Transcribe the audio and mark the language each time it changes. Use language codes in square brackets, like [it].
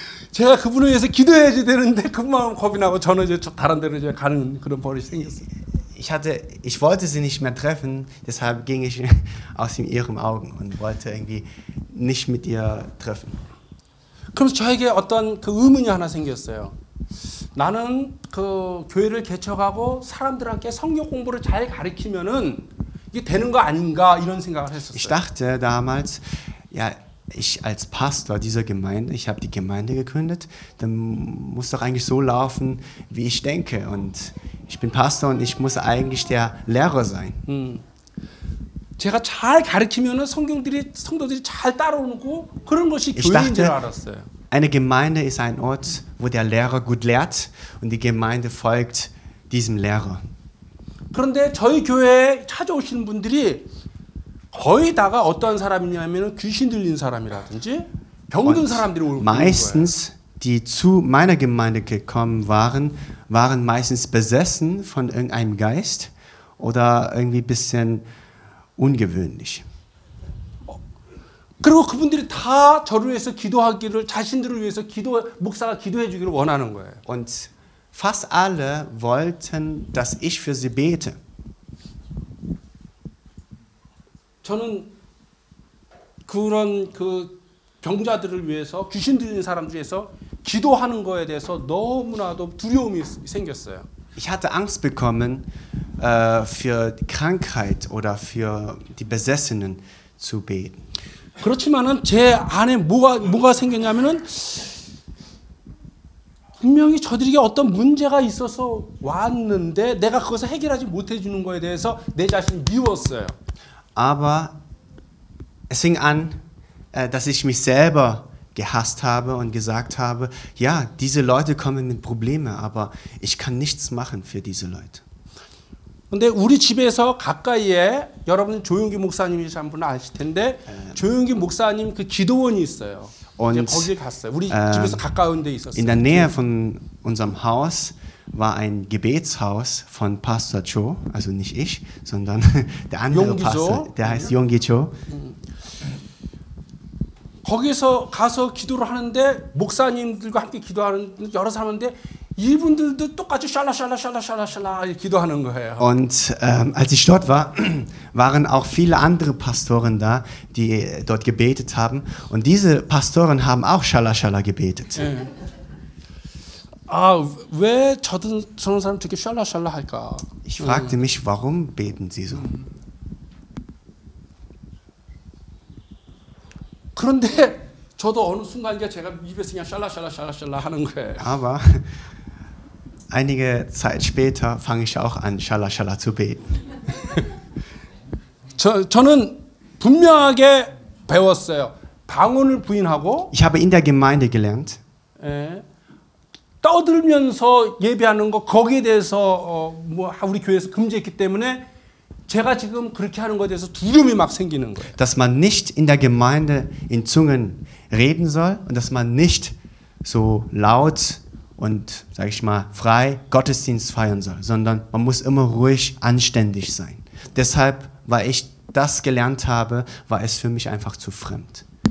[ko] 제가 그분을 위해서 기도해야지 되는데 그 마음 겁이 나고 저는 이제 다른 데로 이제 가는 그런 버릇이 생겼어요. [de] Ich wollte sie nicht mehr treffen, deshalb ging ich aus ihren Augen und wollte irgendwie nicht mit ihr treffen. [ko] 그럼 저에게 어떤 그 의문이 하나 생겼어요. 나는 그 교회를 개척하고 사람들한테 성경 공부를 잘 가르치면은 이게 되는 거 아닌가 이런 생각을 했었어요. [de] Ich dachte damals, ja, ich als Pastor dieser Gemeinde, ich habe die Gemeinde gegründet, dann muss doch eigentlich so laufen, wie ich denke und Ich bin Pastor und ich muss eigentlich der Lehrer sein. [ko] 제가 잘 가르치면은 성경들이 성도들이 잘 따라오고 그런 것이 교회인 줄 알았어요. [de] Eine Gemeinde ist ein Ort, wo der Lehrer gut lehrt und die Gemeinde folgt diesem Lehrer. [ko] 그런데 저희 교회에 찾아오시는 분들이 거의 다가 어떤 사람이냐면은 귀신 들린 사람이라든지 병든 사람들이 오는 [de] meistens 거예요. Die zu meiner Gemeinde gekommen waren, waren meistens besessen von irgendeinem Geist oder irgendwie ein bisschen ungewöhnlich. [ko] 그리고 그분들이 다 저를 위해서 기도하기를 자신들을 위해서 기도 목사가 기도해 주기를 원하는 거예요. [de] Und fast alle wollten, dass ich für sie bete. [ko] 저는 그런 그 병자들을 위해서 귀신 들린 사람들 위해서 기도하는 거에 대해서 너무나도 두려움이 생겼어요. [de] Ich hatte Angst bekommen für Krankheit oder für die Besessenen zu beten. [ko] 그렇지만은 제 안에 뭐가 생겼냐면은 분명히 저들에게 어떤 문제가 있어서 왔는데 내가 그것을 해결하지 못해 주는 거에 대해서 내 자신을 미웠어요. [de] Aber es fing an, dass ich mich selber gehasst habe und gesagt habe, ja, diese Leute kommen mit Problemen, aber ich kann nichts machen für diese Leute. [ko] 근데 우리 집에서 가까이에 여러분 조용기 목사님이시 한 분 아실 텐데 조용기 목사님 그 기도원이 있어요. 이제 거기 갔어요. 우리 집에서 가까운 데 있었어요. [de] In der Nähe von unserem Haus war ein Gebetshaus von Pastor Cho, also nicht ich, sondern der andere 용기조? Pastor, der heißt Yonggi Cho. [ko] 거기서 가서 기도를 하는데 목사님들과 함께 기도하는 여러 사람인데 이분들도 똑같이 샬라샬라샬라샬라샬라 기도하는 거예요. [de] Und als ich dort war, waren auch viele andere Pastoren da, die dort gebetet haben. Und diese Pastoren haben auch Shalashala gebetet. [ko] 아, 왜 저런 사람 되게 샬라샬라 할까? [de] Ich fragte mich, warum beten sie so? [ko] 그런데 저도 어느 순간 이제 제가 입에서 그냥 샬라샬라샬라샬라 하는 거예요. [de] Aber einige Zeit später fange ich auch an, shalashala zu beten. [ko] 저는 분명하게 배웠어요. 방언을 부인하고. [de] Ich habe in der Gemeinde gelernt. [ko] 예, 떠들면서 예배하는 거 거기에 대해서 뭐 우리 교회에서 금지했기 때문에. 제가 지금 그렇게 하는 것에 대해서 두려움이 막 생기는 거예요. [de] Dass man nicht in der Gemeinde in Zungen reden soll und dass man nicht so laut und sag ich mal frei Gottesdienst feiern soll, sondern man muss immer ruhig anständig sein. Deshalb war ich das gelernt habe, war es für mich einfach zu fremd.